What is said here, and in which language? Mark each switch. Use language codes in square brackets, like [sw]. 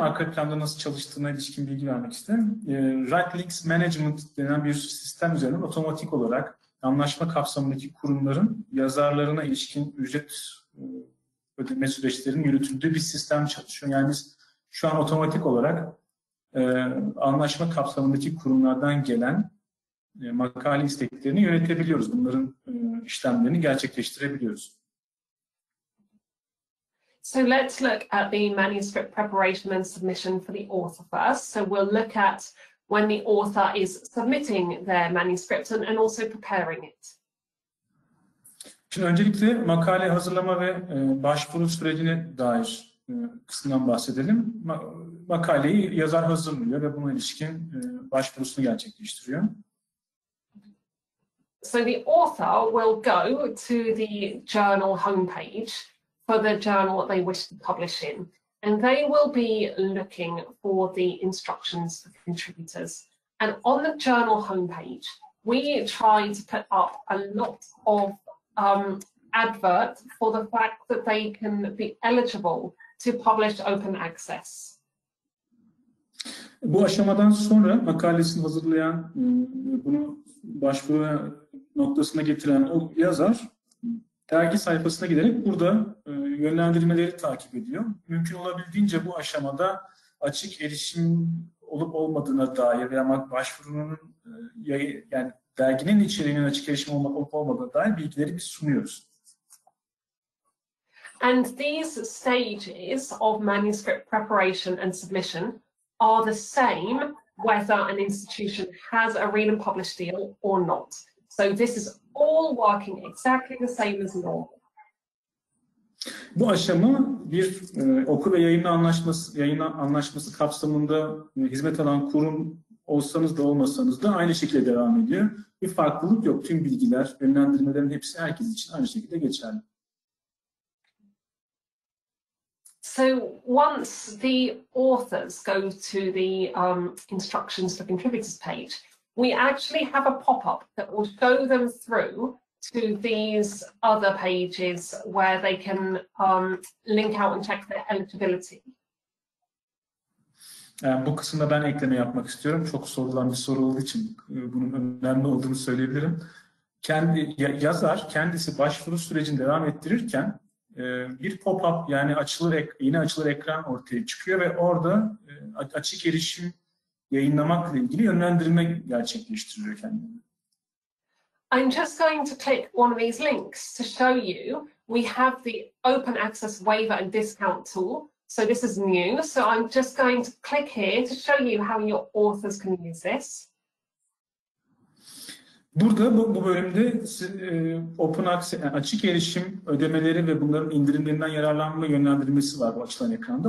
[tr] Arka planda nasıl çalıştığına ilişkin bilgi vermek isterim. WriteLinks Management denen bir sistem üzerinden otomatik olarak anlaşma kapsamındaki kurumların yazarlarına ilişkin ücret ödeme süreçlerinin yürütüldüğü bir sistem çalışıyor. Yani biz şu an otomatik olarak anlaşma kapsamındaki kurumlardan gelen makale isteklerini yönetebiliyoruz. Bunların işlemlerini gerçekleştirebiliyoruz. [en] So let's look at the manuscript preparation and submission for the author first. So we'll look at when the author is submitting their manuscript and also preparing it. [tr] Şimdi öncelikle makale hazırlama ve başvuru sürecine dair kısımdan bahsedelim. Makaleyi yazar hazırlıyor ve buna ilişkin başvurusunu gerçekleştiriyor. [en] So the author will go to the journal homepage for the journal that they wish to publish in, and they will be looking for the instructions for contributors. And on the journal homepage, we try to put up a lot of advert for the fact that they can be eligible to publish open access. [tr] Bu aşamadan sonra makalesini hazırlayan, bunu başvuru noktasına getiren o yazar dergi sayfasına giderek burada yönlendirmeleri takip ediyor. Mümkün olabildiğince bu aşamada açık erişim olup olmadığına dair veya başvurunun yani derginin içeriğinin açık erişim olup olmadığına dair bilgileri biz sunuyoruz. [en] And these stages of manuscript preparation and submission are the same whether an institution has a read and publish deal or not. So this is all working exactly the same as normal. [tr] Bu aşama bir oku ve yayın anlaşması kapsamında hizmet alan kurum olsanız da olmasanız da aynı şekilde devam ediyor. Bir farklılık yok. Tüm bilgiler, yönlendirmelerin hepsi herkes için aynı şekilde geçerli. [en] So once the authors go to the instructions for contributors page, we actually have a pop-up that will show them through to these other pages where they can link out and check their eligibility. [tr] Bu kısımda ben ekleme yapmak istiyorum. Çok sorulan bir soru olduğu için bunun önemli olduğunu söyleyebilirim. Yazar kendisi başvuru sürecini devam ettirirken bir pop-up yani açılır ekran ortaya çıkıyor ve orada açık erişim yayınlamakla ilgili yönlendirme gerçekleştiriyor kendini. [en] I'm just going to click one of these links to show you we have the open access waiver and discount tool. So this is new. So I'm just going to click here to show you how your authors can use this. [tr] Burada bu bölümde open access açık erişim ödemeleri ve bunların indirimlerinden yararlanma yönlendirmesi var bu açılan ekranda.